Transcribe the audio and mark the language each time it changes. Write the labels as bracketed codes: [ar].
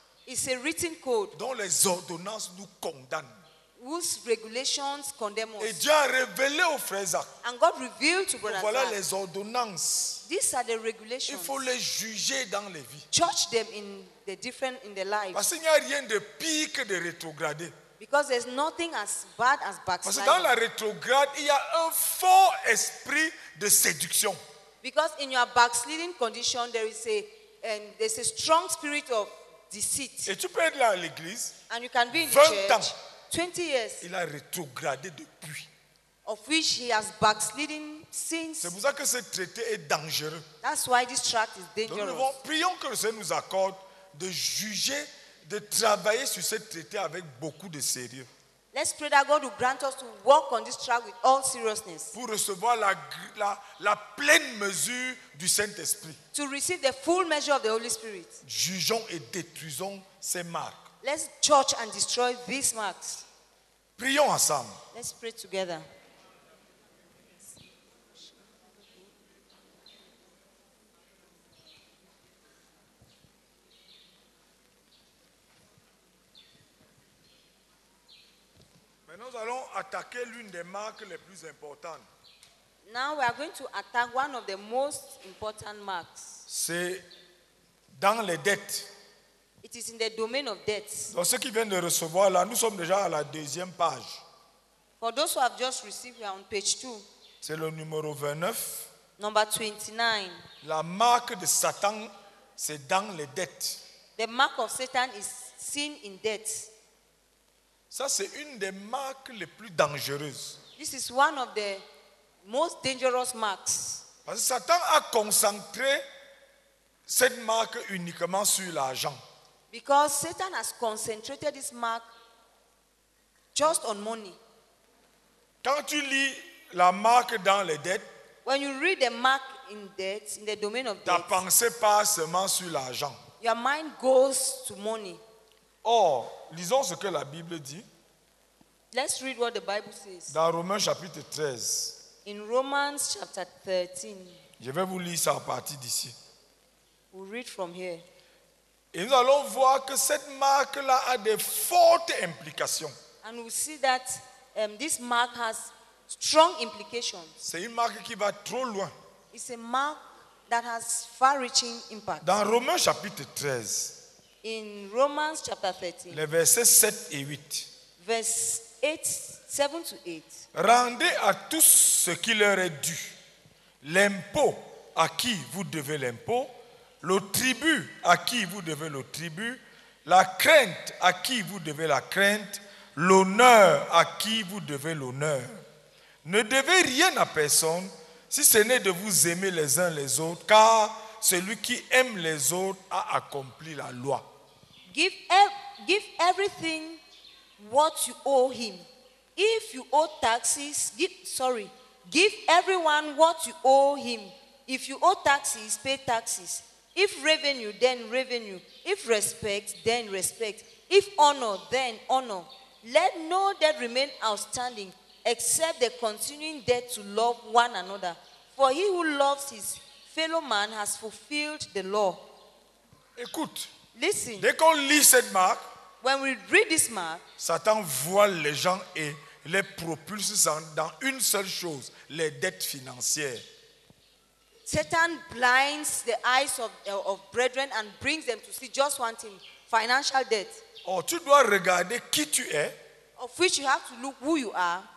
[en] It's a written code. [fr] Dont les ordonnances nous condamnent. [en] Whose regulations condemn us. [fr] Et Dieu a révélé aux frères Zach. [en] And God revealed to brother. [fr] Voilà les ordonnances. [en] These are the regulations. [fr] Il faut les juger dans les vies. [en] Judge them in the different in the life. [fr] Parce qu'il n'y a rien de pire que de rétrograder. [en] Because there's nothing as bad as backsliding. [fr] Parce que dans la rétrograde, il y a un faux esprit de séduction. [en] Because in your backsliding condition, there is a and there's a strong spirit of deceit. [fr] Et tu peux être là à l'église. [en] And you can be in the church. 20 years. [fr] Il a rétrogradé depuis. [en] Of which he has backslidden since. [fr] C'est pour ça que ce traité est dangereux. [en] That's why this tract is dangerous. [fr] Donc nous prions que le Seigneur nous accorde de juger, de travailler sur ce traité avec beaucoup de sérieux. [en] Let's pray that God will grant us to work on this tract with all seriousness. [fr] Pour recevoir la pleine mesure du Saint-Esprit. [en] To receive the full measure of the Holy Spirit. [fr] Jugeons et détruisons ces marques. [en] Let's judge and destroy these marks. [fr] Prions ensemble. [en] Let's pray together. [fr] Maintenant, nous allons attaquer l'une des marques les plus importantes. [en] Now we are going to attack one of the most important marks. [fr] C'est dans les dettes. [en] It is in the domain of debts. [fr] Donc ceux qui viennent de recevoir là, nous sommes déjà à la deuxième page. [en] For those who have just received, we are on page 2. [fr] C'est le numéro 29. [en] Number 29. [fr] La marque de Satan, c'est dans les dettes. [en] The mark of Satan is seen in debts. [fr] Ça, c'est une des marques les plus dangereuses. [en] This is one of the most dangerous marks. [fr] Parce que Satan a concentré cette marque uniquement sur l'argent. [en] Because Satan has concentrated this mark just on money. [fr] Quand tu lis la marque dans les dettes, [en] when you read the mark in debt, in the domain of [fr] debt, ta pensée passe seulement sur l'argent. [en] Your mind goes to money. [fr] Or, lisons ce que la Bible dit. [en] Let's read what the Bible says. [fr] Dans Romains chapitre 13. [en] In Romans chapter 13. [fr] Je vais vous lire ça à partir d'ici. [en] We'll read from here. [fr] Et nous allons voir que cette marque-là a de fortes implications. [en] And we'll see that this mark has strong implications. [fr] C'est une marque qui va trop loin. [en] It's a mark that has far-reaching impact. [fr] Dans Romains chapitre 13. [en] In Romans chapter 13. [fr] Les versets 7 et 8. [en] Verse 7 to 8. [fr] Rendez à tous ce qui leur est dû. L'impôt à qui vous devez l'impôt. Le tribut à qui vous devez le tribut. La crainte à qui vous devez la crainte. L'honneur à qui vous devez l'honneur. Ne devez rien à personne, si ce n'est de vous aimer les uns les autres, car celui qui aime les autres a accompli la loi. [en] Give everything what you owe him. If you owe taxes, give everyone what you owe him. If you owe taxes, pay taxes. If revenue, then revenue. If respect, then respect. If honor, then honor. Let no debt remain outstanding, except the continuing debt to love one another. For he who loves his fellow man has fulfilled the law. [fr] Écoute. [en] Listen. [fr] Dès qu'on lit cette marque, [en] when we read this mark, [fr] Satan voit les gens et les propulse dans une seule chose, les dettes financières. [en] Satan blinds the eyes of brethren and brings them to see just one thing, financial debt. [fr] Or, tu dois regarder qui tu es. [en] Of which you have to look who you are.